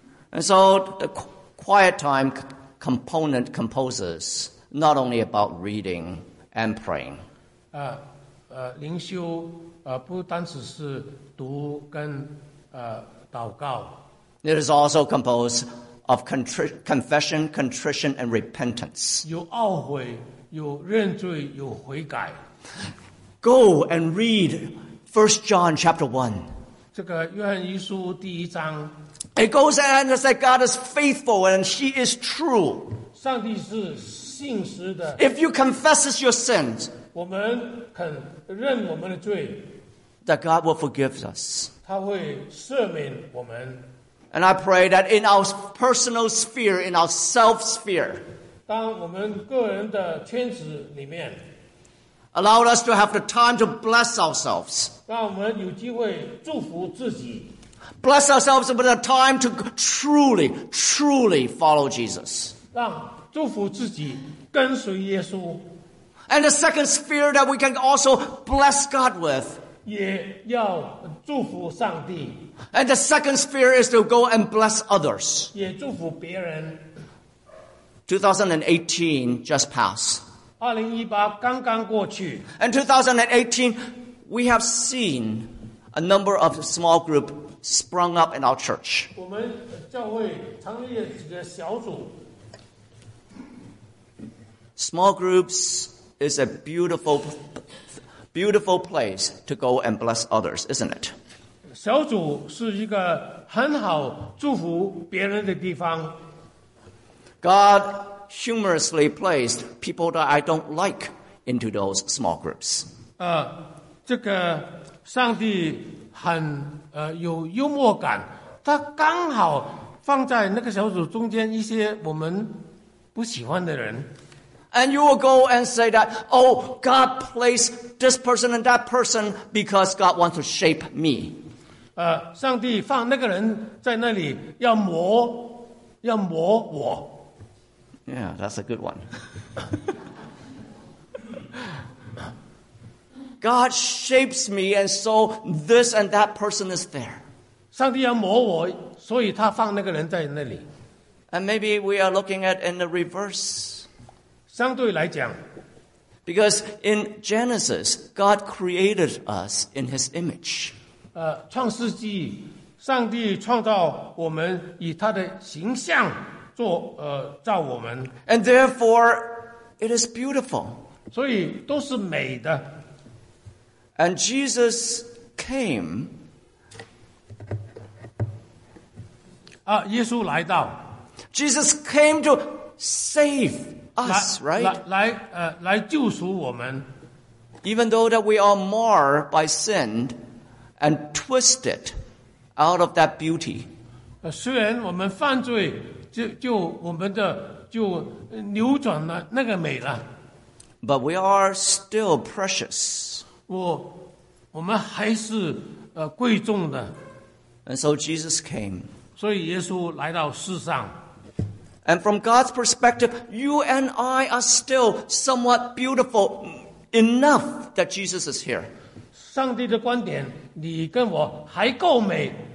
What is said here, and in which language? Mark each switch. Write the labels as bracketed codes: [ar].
[en] And so the quiet time component composes not only about reading and praying. [zh] 灵修不单只是读跟祷告。 [en] It is also composed of confession, contrition, and repentance. [zh] 有懊悔，有认罪，有悔改。 [en] Go and read 1 John chapter 1. [zh] 这个约翰一书第一章。 [en] It goes on and says that God is faithful and He is true. [zh] 上帝是信实的。 [en] If you confess your sins, [zh] 我们肯认我们的罪。 [en] That God will forgive us. [zh] 他会赦免我们。 [en] And I pray that in our personal sphere, in our self sphere, [zh] 当我们个人的圈子里面， [en] allow us to have the time to bless ourselves. [zh] 让我们有机会祝福自己。 [en] Bless ourselves with the time to truly, truly follow Jesus. [zh] 让祝福自己跟随耶稣。 [en] And the second sphere that we can also bless God with. [zh] 也要祝福上帝。 [en] And the second sphere is to go and bless others. [zh] 也祝福别人。 [en] 2018 just passed. [zh] 2018刚刚过去。 [en] And 2018, we have seen a number of small groups sprung up in our church. [zh] 我们教会成立了几个小组。 [en] Small groups is a beautiful, beautiful place to go and bless others, isn't it? [zh] 小组是一个很好祝福别人的地方。 [en] God humorously placed people that I don't like into those small groups. [zh] 这个上帝很有幽默感，他刚好放在那个小组中间一些我们不喜欢的人。 [en] And you will go and say that, oh, God placed this person and that person because God wants to shape me. [zh] 上帝放那个人在那里要磨我。 [en] Yeah, that's a good one. God shapes me and so this and that person is there. [zh] 上帝要磨我，所以他放那个人在那里。 [en] And maybe we are looking at in the reverse. [zh] 相对来讲。 [en] Because in Genesis, God created us in His image. [zh] 创世纪，上帝创造我们以他的形象做造我们。 [en] And therefore, it is beautiful. [zh] 所以都是美的。 [en] And Jesus came. [zh] 耶稣来到。 [en] Jesus came to save us, right? [zh] 来救赎我们。 [en] even though that we are marred by sin and twisted out of that beauty. [zh] 虽然我们犯罪，就我们的就扭转了那个美了。 [en] But we are still precious. [zh] 我们还是贵重的。 [en] And so Jesus came. [zh] 所以耶稣来到世上。 [en] And from God's perspective, you and I are still somewhat beautiful enough that Jesus is here. [zh] 上帝的观点，你跟我还够美。